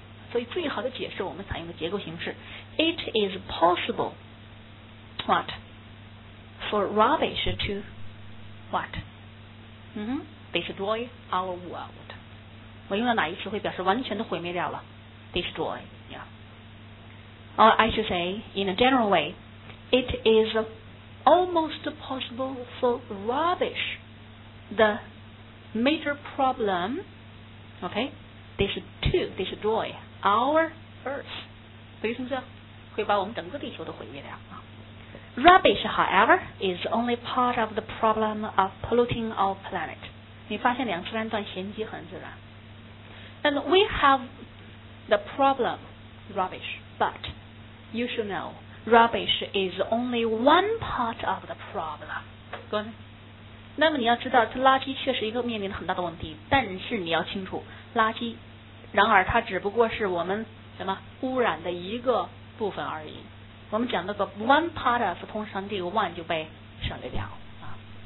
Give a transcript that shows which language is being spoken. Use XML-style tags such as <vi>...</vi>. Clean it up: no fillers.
<zh>所以最好的解释我们采用的结构形式，</zh> <en>It is possible what? For rubbish toWhat? Destroy our world.</en> <zh>我用了哪一词会表示完全的毁灭掉了？</zh> <en>Destroy. Yeah. Or I should say, in a general way, it is almost possible for rubbish, the major problem, okay, destroy our earth.</en> <zh>所以是不是会把我们整个地球都毁灭掉？</zh> <en>Rubbish, however, is only part of the problem of polluting our planet.</en> <zh>你发现两次连段衔接很自然。</zh> <en>And we have the problem, rubbish, but you should know, rubbish is only one part of the problem. Good.</en> <zh>那么你要知道，这垃圾确实一个面临很大的问题，但是你要清楚，垃圾，然而它只不过是我们什么污染的一个部分而已。我们讲那个 one part of， 通常这个 one 就被省略掉啊。</zh>